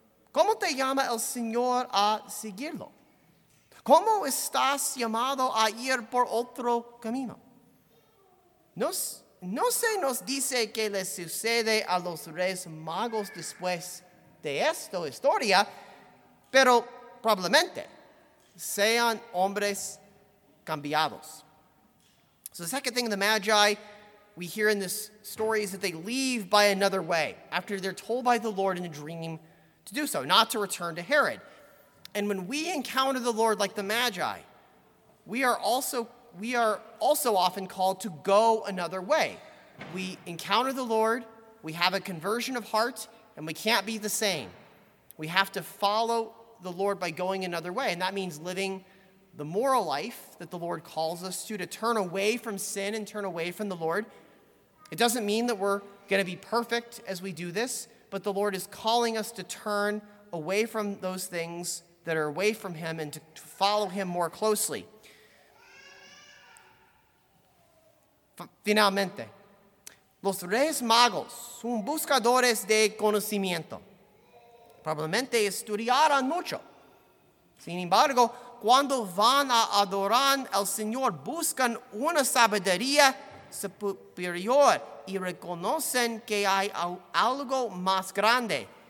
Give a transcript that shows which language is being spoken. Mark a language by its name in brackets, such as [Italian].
[Spanish] ¿Cómo te llama el Señor a seguirlo? ¿Cómo estás llamado a ir por otro camino? No se nos dice qué le sucede a los reyes magos después de esta historia, pero probablemente sean hombres cambiados. [English] So the second thing the Magi we hear in this story is that they leave by another way after they're told by the Lord in a dream to do so, not to return to Herod. And when we encounter the Lord like the Magi, we are also often called to go another way. We encounter the Lord, we have a conversion of heart, and we can't be the same. We have to follow the Lord by going another way, and that means living the moral life that the Lord calls us to turn away from sin and turn away from the Lord. It doesn't mean that we're going to be perfect as we do this, but the Lord is calling us to turn away from those things that are away from him and to follow him more closely. [Spanish] Finalmente, los reyes magos son buscadores de conocimiento. Probablemente estudiarán mucho. Sin embargo, cuando van a adorar al Señor, buscan una sabiduría superior y reconocen que hay algo más grande.